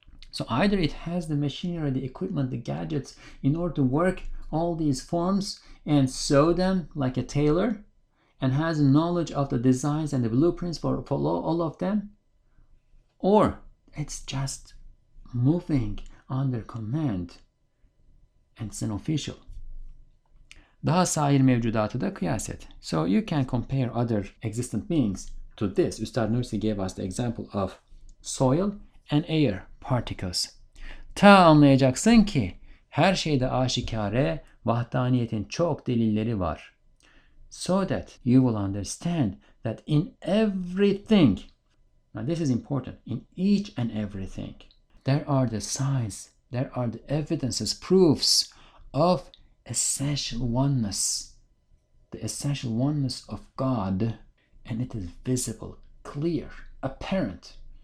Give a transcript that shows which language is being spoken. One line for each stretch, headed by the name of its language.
English: So either it has the machinery, the equipment, the gadgets in order to work all these forms and sew them like a tailor and has knowledge of the designs and the blueprints for all of them, or it's just moving under command and it's an official.
Turkish: Daha sair mevcudatı da kıyas et.
English: So you can compare other existent beings to this. Üstad Nursi gave us the example of soil and air particles.
Turkish: Ta anlayacaksın ki her şeyde aşikare vahdaniyetin çok delilleri var.
English: So that you will understand that in everything, now this is important, in each and everything, there are the signs, there are the evidences, proofs of essential oneness. The essential oneness of God, and it is visible, clear, apparent.